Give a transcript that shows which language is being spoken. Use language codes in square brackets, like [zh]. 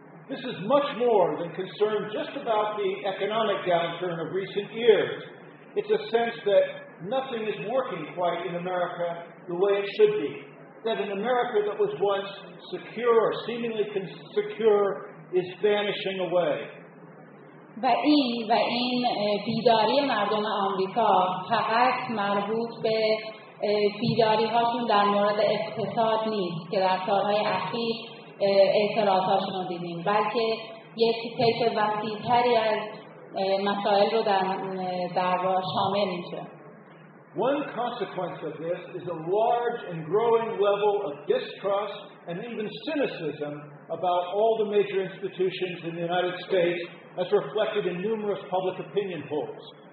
[en] This is much more than concern just about the economic downturn of recent years. It's a sense that nothing is working quite in America the way it should be. That an America that was once secure or seemingly secure is vanishing away. [fa] و این بیداری مردم آمریکا فقط مربوط به بیداری‌هاشون در مورد اقتصاد نیست که در سال‌های اخیر اعتراض‌هاشون رو دیدیم، بلکه یک طیف وسیع‌تری از مسائل رو در واقع شامل میشه. [en] One consequence of this is a large and growing level of distrust and even cynicism about all the major institutions in the United States as reflected in numerous public opinion polls.